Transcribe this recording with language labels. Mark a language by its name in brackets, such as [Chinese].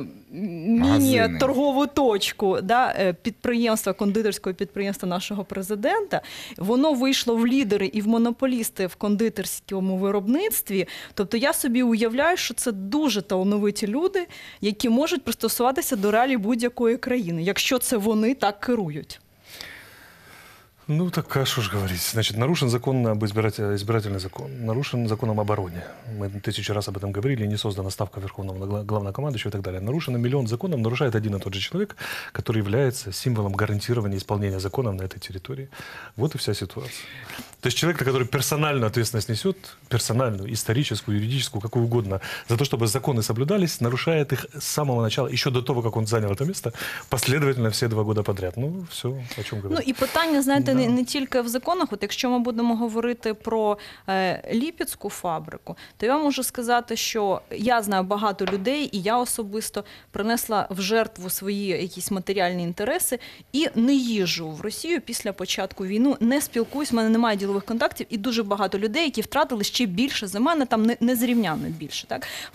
[Ukrainian] міні-торгову точку, да, підприємства, кондитерського підприємства нашого президента. Воно вийшло в лідери і в монополісти в кондитерському виробництві. Тобто я собі уявляю, що це дуже талановиті люди, які можуть пристосуватися до реалій будь-якої країни, якщо це вони так керують. Ну, так що ж говорити. [Russian] Значить, нарушен закон об избирательный закон, нарушен законом обороне. Мы тысячу раз об этом говорили, не создана ставка Верховного Главнокомандующего и так далее. Нарушено миллион законов, нарушает один и тот же человек, который является символом гарантирования исполнения законов на этой территории. Вот и вся ситуация. То есть человек, который персональную ответственность несет, персональную, историческую, юридическую, какую угодно, за то, чтобы законы соблюдались, нарушает их с самого начала, еще до того, как он занял это место, последовательно все два года подряд. Ну, все, о чем говорить. [Ukrainian] Ну, и питання, знаете, да. Не тільки в законах, от якщо ми будемо говорити про Липецьку фабрику, то я можу сказати, що я знаю багато людей, і я особисто принесла в жертву свої якісь матеріальні інтереси і не їжджу в Росію після початку війни, не спілкуюсь, в мене немає ділових контактів, і дуже багато людей, які втратили ще більше за мене, там незрівнянно більше. Так?